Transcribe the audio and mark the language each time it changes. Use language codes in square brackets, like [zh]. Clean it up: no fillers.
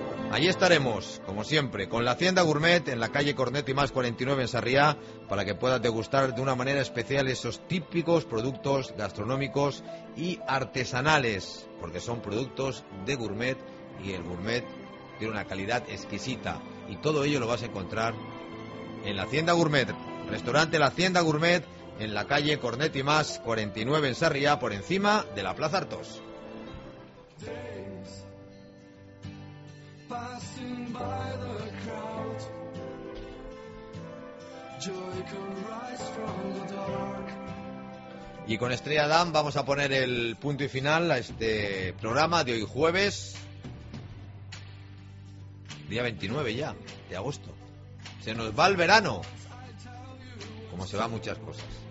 [es] Allí estaremos, como siempre, con la Hacienda Gourmet en la calle Cornet y Mas 49 en Sarriá, para que puedas degustar de una manera especial esos típicos productos gastronómicos y artesanales, porque son productos de gourmet y el gourmet tiene una calidad exquisita. Y todo ello lo vas a encontrar en la Hacienda Gourmet, restaurante La Hacienda Gourmet, en la calle Cornet y Mas 49 en Sarriá, por encima de la Plaza Artós. [en] Passing by the crowd, joy can rise from the dark. [es] Y con Estrella Damm vamos a poner el punto y final a este programa de hoy jueves, día 29 ya, de agosto. Se nos va el verano, como se van muchas cosas.